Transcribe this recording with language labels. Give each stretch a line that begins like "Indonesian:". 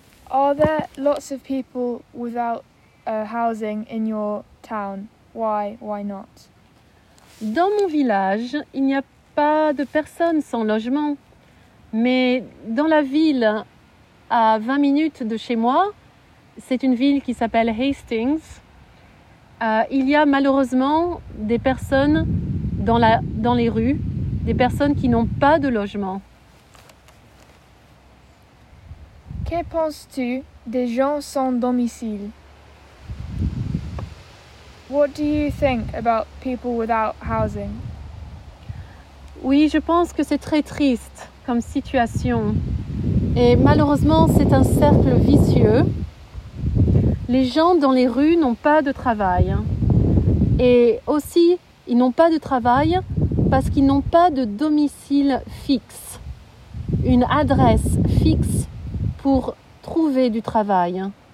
English: Are there lots of people without housing in your town? Why? Why not?
French: Dans mon village, il n'y a pas de personnes sans logement. Mais dans la ville, à 20 minutes de chez moi, c'est une ville qui s'appelle Hastings. Il y a malheureusement des personnes dans les rues, des personnes qui n'ont pas de logement. Que penses-tu des gens sans domicile?
English: What do you think about people without housing?
French: Oui, je pense que c'est très triste comme situation. Et malheureusement, c'est un cercle vicieux. Les gens dans les rues n'ont pas de travail. Et aussi, ils n'ont pas de travail parce qu'ils n'ont pas de domicile fixe, une adresse fixe pour trouver du travail.